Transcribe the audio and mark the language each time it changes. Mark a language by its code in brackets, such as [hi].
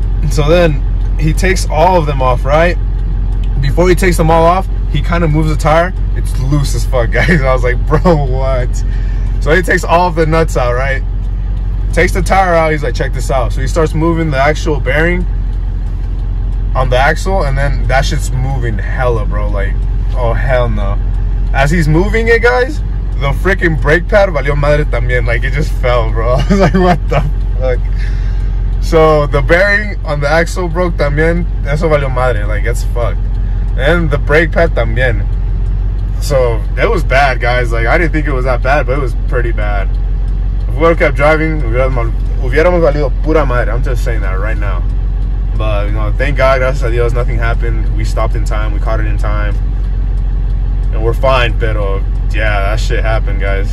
[en] So then he takes all of them off, right? Before he takes them all off, he kind of moves the tire. It's loose as fuck, guys. I was like, bro, what? So he takes all of the nuts out, right? Takes the tire out. He's like, check this out. So he starts moving the actual bearing on the axle, and then that shit's moving hella, bro. Like, oh, hell no. As he's moving it, guys, the freaking brake pad [es] valió madre también. [en] Like, it just fell, bro. I was like, what the fuck? So the bearing on the axle broke también. [es] Eso valió madre. [en] Like, it's fucked. And the brake pad también. So it was bad, guys. Like, I didn't think it was that bad, but it was pretty bad. If we would have kept driving, [es] hubiéramos valido pura madre. [en] I'm just saying that right now. But, you know, thank God, [es] gracias a Dios, [en] nothing happened. We stopped in time. We caught it in time. And we're fine, pero yeah, that shit happened, guys.